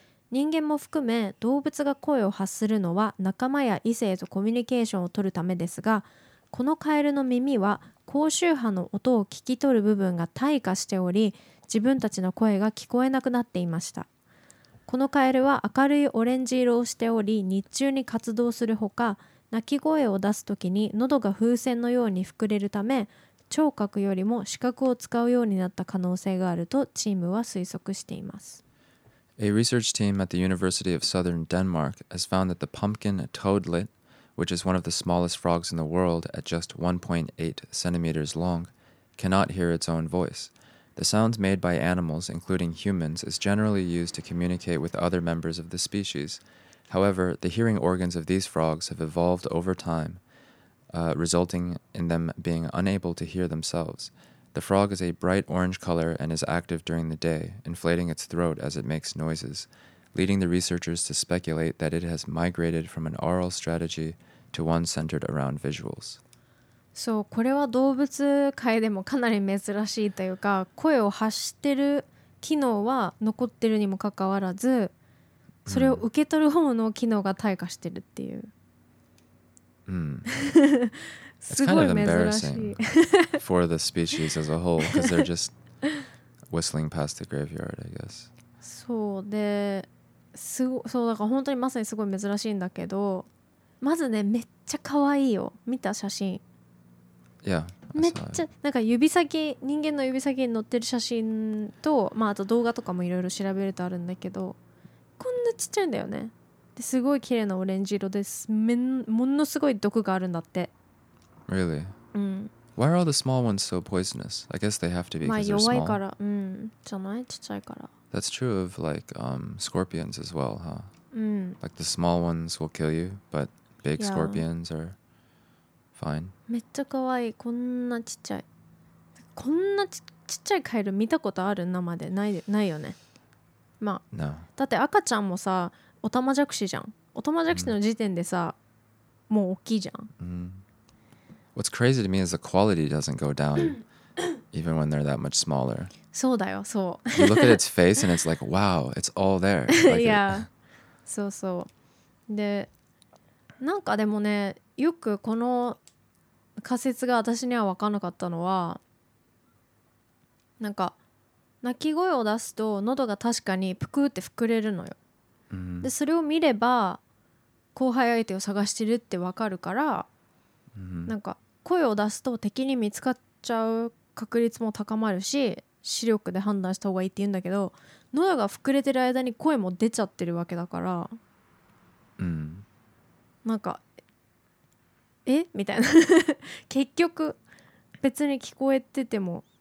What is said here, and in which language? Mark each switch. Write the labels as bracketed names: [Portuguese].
[Japanese] 人間も含め動物が声を発するのは仲間や異性とコミュニケーションを取るためですが、このカエルの耳は高周波の音を聞き取る部分が退化しており、自分たちの声が聞こえなくなっていました。このカエルは明るいオレンジ色をしており、日中に活動するほか、鳴き声を出すときに喉が風船のように膨れるため、聴覚よりも視覚を使うようになった可能性があるとチームは推測しています。 [English] A research team at the University of Southern Denmark has found that the pumpkin toadlet, which is one of the smallest frogs in the world at just 1.8 centimeters long, cannot hear its own voice. The sounds made by animals, including humans, is generally used to communicate with other members of the species. However, the hearing organs of these frogs have evolved over time, resulting in them being unable to hear themselves. The frog is a bright orange color and is active during the day, inflating its throat as it makes noises, leading the researchers to speculate that it has migrated from an oral strategy to one centered around visuals. [Japanese] そう、これは動物界でもかなり珍しいというか、声を発してる機能は残ってるにもかかわらず、それを受け取る方の機能が退化してるっていう。すごい珍しい。 [English] It's kind of embarrassing for the species as a whole, because they're just whistling past the graveyard, I guess. [Japanese] そうで、そうだから本当にまさにすごい珍しいんだけど、まずね、めっちゃ可愛いよ。見た写真。 [English] Yeah, [Japanese] めっちゃなんか指先、人間の指先に乗ってる写真と、まああと動画とかもいろいろ調べるとあるんだけど。こんなちっちゃいんだよね。で、すごい綺麗なオレンジ色です。ものすごい毒があるんだって。 [English] Really? [Japanese] うん。 [English] Why are all the small ones so poisonous? I guess they have to be because they're small. [Japanese] まあ弱いから、うん。じゃない？ちっちゃいから。 [English] That's true of like scorpions as well, huh? [Japanese] うん。 [English] Like the small ones will kill you, but big scorpions are fine. [Japanese] めっちゃ可愛い。こんなちっちゃい。こんなちっちゃいカエル見たことある？生で。ないよね。まあ、 [English] no. [Japanese] だって赤ちゃんもさ、オタマジャクシじゃん。オタマジャクシの時点でさ、mm. もう大きいじゃん。 Mm. [English] What's crazy to me is the quality doesn't go down even when they're that much smaller. [Japanese] そうだよ、そう。 [English] You look at its face and it's like, wow, it's all there. Like yeah, [Japanese] そうそう。で、なんかでもね、よくこの仮説が私には分からなかったのは、なんか鳴き声を出すと喉が確かにぷくって膨れるのよ。でそれを見れば交配相手を探してるって分かるから、なんか声を出すと敵に見つかっちゃう確率も高まるし、視力で判断した方がいいって言うんだけど、喉が膨れてる間に声も出ちゃってるわけだから、なんかえみたいな結局別に聞こえてても、